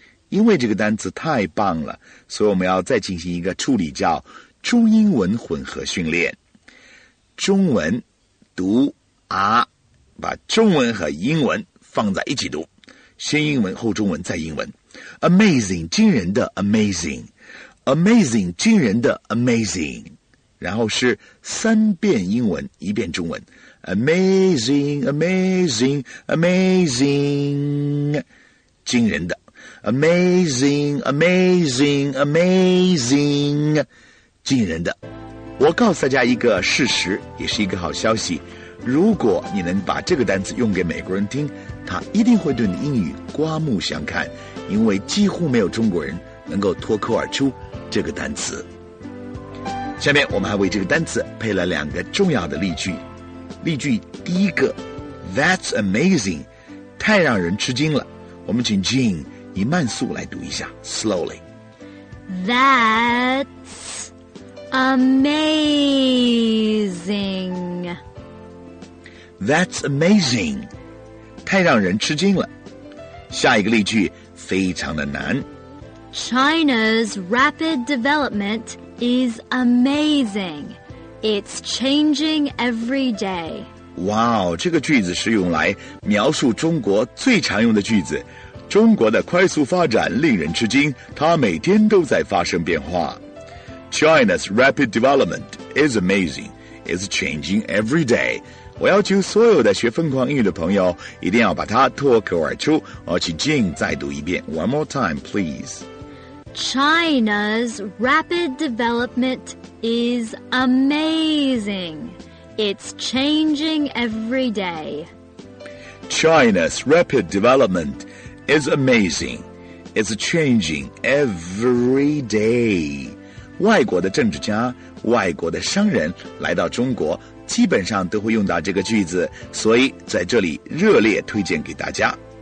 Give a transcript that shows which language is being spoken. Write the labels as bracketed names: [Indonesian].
[Chinese] 因为这个单词太棒了，所以我们要再进行一个处理，叫中英文混合训练。中文读啊，把中文和英文放在一起读，先英文后中文再英文。 [English] Amazing， [Chinese] 惊人的 [English] amazing， amazing， 惊人的 amazing。 [Chinese] 然后是三遍英文，一遍中文。 [English] Amazing, amazing, amazing， [Chinese] 惊人的。 [English] Amazing, amazing, amazing， [Chinese] 惊人的。我告诉大家一个事实，也是一个好消息。如果你能把这个单词用给美国人听，他一定会对你英语刮目相看，因为几乎没有中国人能够脱口而出这个单词。下面我们还为这个单词配了两个重要的例句。例句第一个 ， [English] That's amazing， [Chinese] 太让人吃惊了。我们请 Jean 以慢速来读一下 ，slowly。 [English] That's amazing。 That's amazing， [Chinese] 太让人吃惊了。下一个例句非常的难。 [English] China's rapid development is amazing. It's changing every day. [Chinese] Wow， 这个句子是用来描述中国最常用的句子。中国的快速发展令人吃惊，它每天都在发生变化。 [English] China's rapid development is amazing. It's changing every day. [Chinese] 我要求所有的学疯狂英语的朋友一定要把它脱口而出，而且 Jean 再读一遍。 [English] One more time, please. China's rapid development is amazing. It's changing every day. China's rapid development is amazing. It's changing every day. [Chinese] 外国的政治家、外国的商人来到中国，基本上都会用到这个句子，所以在这里热烈推荐给大家。